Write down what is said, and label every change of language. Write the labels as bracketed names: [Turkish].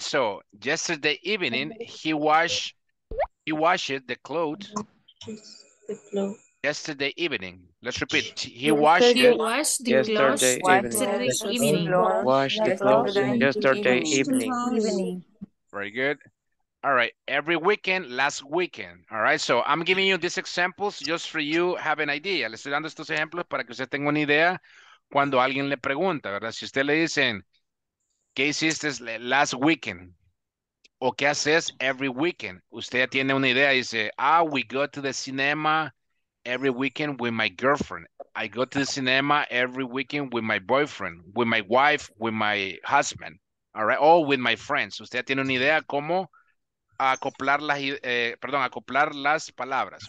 [English] So yesterday evening he washed the clothes. Yesterday evening. Let's repeat. He washed the clothes yesterday evening. Very good. All right. Every weekend, last weekend. All right. So I'm giving you these examples just for you have an idea. [Spanish] Les estoy dando estos ejemplos para que usted tenga una idea cuando alguien le pregunta, ¿verdad? Si usted le dicen, ¿qué hiciste [English] last weekend? [Spanish] ¿O qué haces [English] every weekend? [Spanish] Usted ya tiene una idea. Dice, [English] ah, we go to the cinema every weekend with my girlfriend. I go to the cinema every weekend with my boyfriend, with my wife, with my husband. All right. Or with my friends. [Spanish] Usted ya tiene una idea cómo acoplar las, perdón, acoplar las palabras.